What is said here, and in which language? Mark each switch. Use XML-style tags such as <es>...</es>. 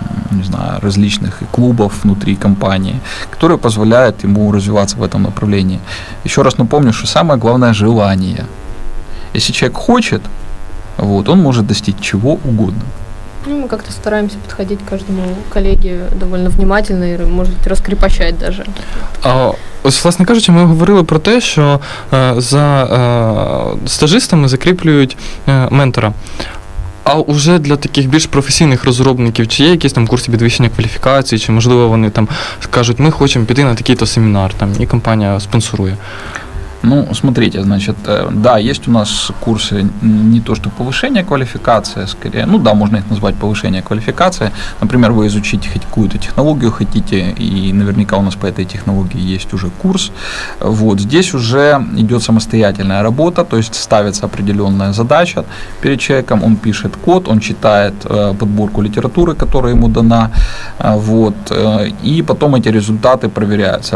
<ru>не знаю, различных клубов внутри компании, которые позволяют ему развиваться в этом направлении. Еще раз напомню, что самое главное — желание. Если человек хочет, вот, он может достичь чего угодно. Ну, мы как-то стараемся подходить к каждому коллеге довольно внимательно и, может быть, раскрепощать даже.</ru> <uk>А, ось, власне кажучи, ми говорили про те, що за стажистами закріплюють ментора. А уже для таких більш професійних розробників, чи є якісь там курси підвищення кваліфікації, чи, можливо, вони там кажуть, ми хочемо піти на такий-то семінар, там, і компанія спонсорує?</uk> <ru>Ну, смотрите, значит, да, есть у нас курсы не то, что повышение квалификации, скорее, ну да, можно их назвать повышение квалификации. Например, вы изучите какую-то технологию хотите, и наверняка у нас по этой технологии есть уже курс. Вот, здесь уже идет самостоятельная работа, то есть ставится определенная задача перед человеком, он пишет код, он читает подборку литературы, которая ему дана, вот, и потом эти результаты проверяются.</ru>